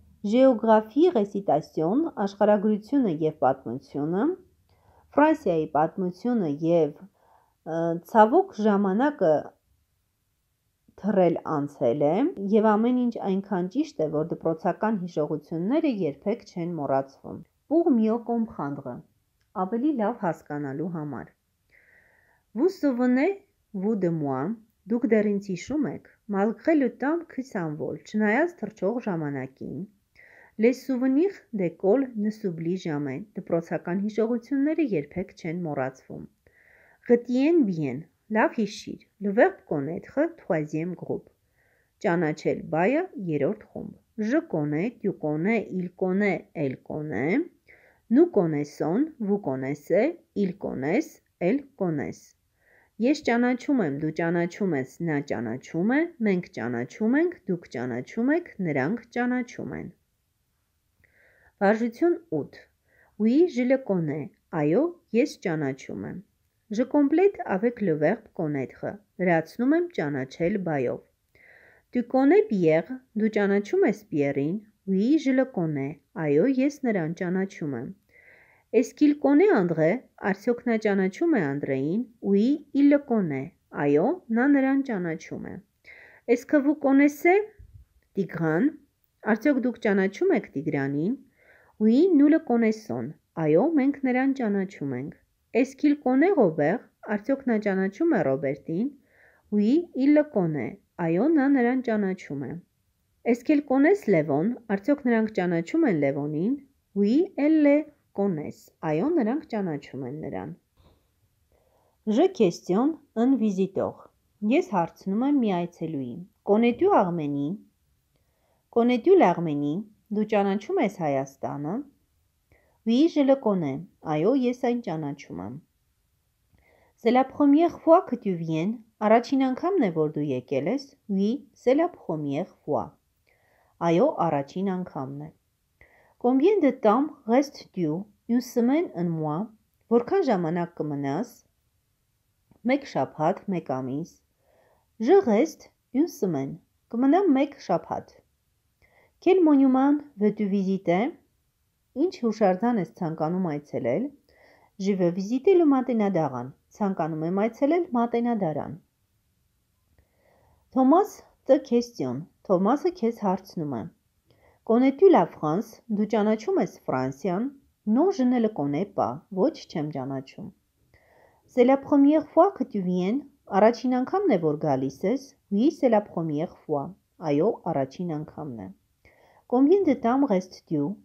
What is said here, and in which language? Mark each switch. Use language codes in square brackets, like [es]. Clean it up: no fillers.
[fr] géographie récitation [hy] աշխարհագրությունը եւ պատմությունը, Ֆրանսիայի պատմությունը եւ ցավոք ժամանակը թռել անցել է եւ ամեն ինչ այնքան ճիշտ է, որ դպրոցական հիշողությունները երբեք չեն մոռացվում։ [fr] Պուղ միոկոմ խանդղը [hy] ավելի լավ հասկանալու համար։ [fr] Vous souvenez-vous de moi? [hy] Դուք դեռ ինձ հիշում եք, [fr] malgré le temps qui s'envole, [hy] չնայած թռչող ժամանակին։ [fr] Les souvenirs d'école ne s'oublient jamais. [hy] Դպրոցական հիշողությունները երբեք չեն մոռացվում։ [fr] Retiens bien, [hy] լավ հիշիր, [fr] le verbe connaître, troisième groupe. [hy] Ճանաչել բայը, երրորդ խումբ. [fr] Je connais, tu connais, il connaît, elle connaît. Nous connaissons, vous connaissez, il connaît, elle connaît. [hy] Ես ճանաչում եմ, դու ճանաչում ես, նա ճանաչում է, մենք ճանաչում ենք, դուք ճանաչում եք, նրանք ճանաչում են. Վարժություն 8. [fr] Oui, je le connais. [hy] Այո, ես ճանաչում եմ. [fr] Je complète avec le verbe connaître. [hy] Լրացնում եմ ճանաչել բայով. [fr] Tu connais Pierre? [hy] Դու ճանաչում ես Pierre-ին? [fr] Oui, je le connais. [hy] Այո, ես նրան ճանաչում եմ. [fr] Est-ce qu'il connaît André? [hy] Արդյոք նա ճանաչում է Անդրեին? [fr] Oui, il le connaît. [hy] Այո, նա նրան ճանաչում է. [fr] Est-ce que vous connaissez Tigran? [hy] Արդյոք դուք ճանաչում եք Տիգրանին? [fr] Oui, nous le connaissons. [hy] Այո, մենք նրան ճանաչում ենք. [fr] Est-ce qu'il connaît Robert? [hy] Արդյոք նա ճանաչում է Ռոբերտին? [fr] Oui, il le connaît. [hy] Այո, նա նրան ճանաչում է. [fr] Est-ce qu'il connaît Levon? [hy] Արդյոք նրանք ճանաչում են Լևոնին? [fr] Oui, elle le connaît. [hy] Այո, նրանք ճանաչում են նրան. [fr] Je questionne un visiteur. [hy] Ես հարցնում եմ մի այցելուին. [fr] Connais-tu l'Arménie? Connais-tu l'Arménie? [hy] Դու ճանաչում ես Հայաստանը? [fr] Oui, je le connais. [hy] Այո, ես այն ճանաչում եմ. [fr] C'est la première fois que tu viens? [hy] Առաջին անգամն է, որ դու եկել ես? [fr] Oui, c'est la première fois. [hy] Այո, առաջին անգամն է. [fr] Combien de temps restes-tu? Une semaine, un mois? [hy] Որքան ժամանակ կմնաս? Մեկ շաբաթ, մեկ ամիս. [fr] Je reste une semaine. [hy] Կմնամ մեկ շաբաթ. [fr] Quel monument veux-tu visiter? [hy] Ինչ հուշարձան ես ցանկանում այցելել? [fr] Je veux visiter le Maténadaran. [hy] Ցանկանում եմ այցելել Maténadaran. [fr] Thomas, te question. [hy] Թոմասը քեզ հարցնում է. [fr] Connais-tu la France? [hy] Դու ճանաչում ես Ֆրանսիան? [fr] Non, je ne le connais pas. [hy] Ոչ, չեմ ճանաչում. [fr] C'est la première fois que tu viens? [hy] Առաջին անգամն է, որ գալիս ես? [fr] Oui, c'est la première fois. [hy] Այո, առաջին անգամն է. [fr] Combien de temps restes-tu?